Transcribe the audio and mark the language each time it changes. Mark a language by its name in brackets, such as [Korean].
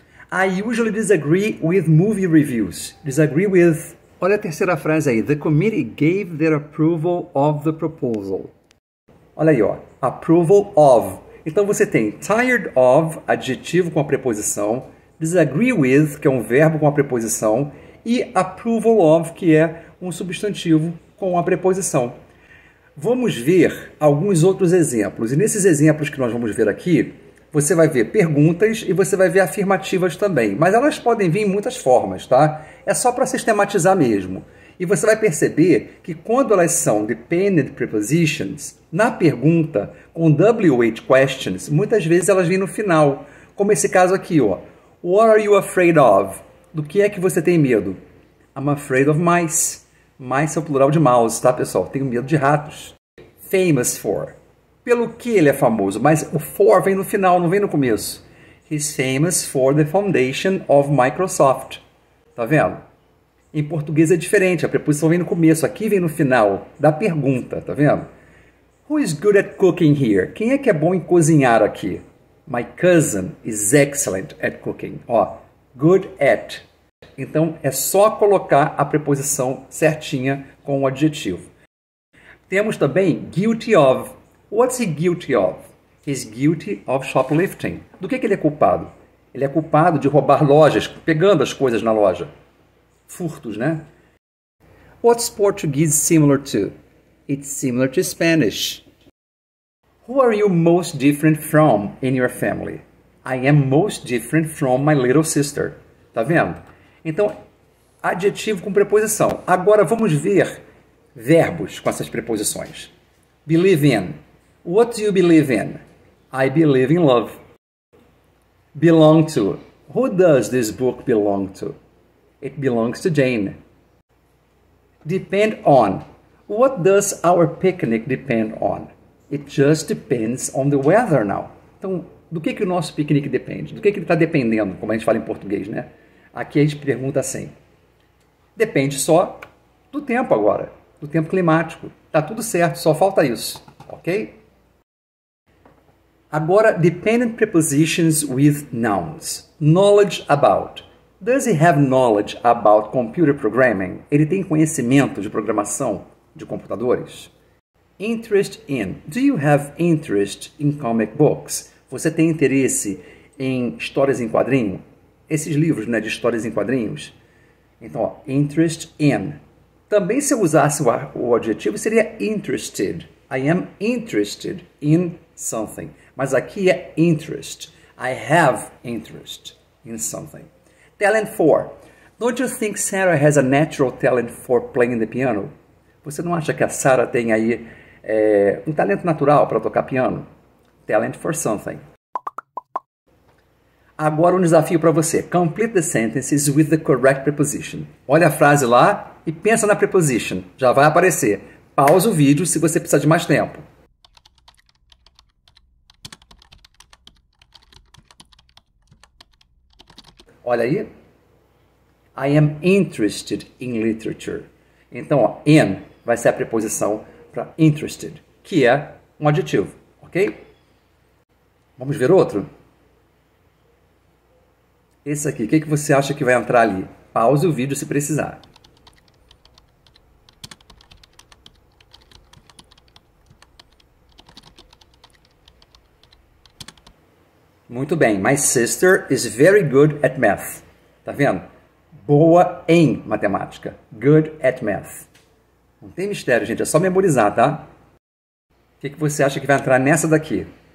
[English] I usually disagree with movie reviews. Disagree with. [Portuguese] Olha a terceira frase aí. [English] The committee gave their approval of the proposal. [Portuguese] Olha aí, ó. Approval of. Então você tem tired of, adjetivo com a preposição, disagree with, que é um verbo com a preposição, e approval of, que é um substantivo com a preposição. Vamos ver alguns outros exemplos. E nesses exemplos que nós vamos ver aqui, você vai ver perguntas e você vai ver afirmativas também. Mas elas podem vir em muitas formas, tá? É só para sistematizar mesmo. E você vai perceber que quando elas são dependent prepositions, na pergunta, com WH questions, muitas vezes elas vêm no final. Como esse caso aqui, ó. [English] What are you afraid of? [Portuguese] Do que é que você tem medo? [English] I'm afraid of mice. [Portuguese] Mice é o plural de mouse, tá, pessoal? Tenho medo de ratos. Famous for. Pelo que ele é famoso? Mas o for vem no final, não vem no começo. [English] He's famous for the foundation of Microsoft. [Portuguese] Tá vendo? Em português é diferente, a preposição vem no começo, aqui vem no final da pergunta, tá vendo? [English] Who is good at cooking here? [Portuguese] Quem é que é bom em cozinhar aqui? [English] My cousin is excellent at cooking. [Portuguese] Ó, good at. Então é só colocar a preposição certinha com o adjetivo. Temos também [English] guilty of. What's he guilty of? He's guilty of shoplifting. [Portuguese] Do que ele é culpado? Ele é culpado de roubar lojas, pegando as coisas na loja. Furtos, né? [English] What's Portuguese similar to? It's similar to Spanish. Who are you most different from in your family? I am most different from my little sister. [Portuguese] Tá vendo? Então, adjetivo com preposição. Agora vamos ver verbos com essas preposições. [English] Believe in. What do you believe in? I believe in love. Belong to. Who does this book belong to? It belongs to Jane. Depend on. What does our picnic depend on? It just depends on the weather now. [Portuguese] Então, do que o nosso piquenique depende? Do que ele está dependendo, como a gente fala em português, né? Aqui a gente pergunta assim. Depende só do tempo agora, do tempo climático. Tá tudo certo, só falta isso, ok? [English] Agora, dependent prepositions with nouns. Knowledge about. Does he have knowledge about computer programming? [Portuguese] Ele tem conhecimento de programação de computadores? [English] Interest in. Do you have interest in comic books? [Portuguese] Você tem interesse em histórias em quadrinho? Esses livros, né, de histórias em quadrinhos? Então, ó, interest in. Também se eu usasse o adjetivo, seria interested. [English] I am interested in something. [Portuguese] Mas aqui é interest. [English] I have interest in something. Talent for. Don't you think Sarah has a natural talent for playing the piano? [Portuguese] Você não acha que a Sarah tem aí um talento natural para tocar piano? [English] Talent for something. [Portuguese] Agora um desafio para você. [English] Complete the sentences with the correct preposition. [Portuguese] Olha a frase lá e pensa na preposition. Já vai aparecer. Pausa o vídeo se você precisar de mais tempo. Olha aí. [English] I am interested in literature. [Portuguese] Então, ó, in vai ser a preposição para interested, que é um adjetivo, ok? Vamos ver outro? Esse aqui, o que que você acha que vai entrar ali? Pause o vídeo se precisar. Muito bem. [English] My sister is very good at math. [Portuguese] Tá vendo? Boa em matemática. [English] Good at math. [Portuguese] Não tem mistério, gente. É só memorizar, tá? O que que você acha que vai entrar nessa daqui?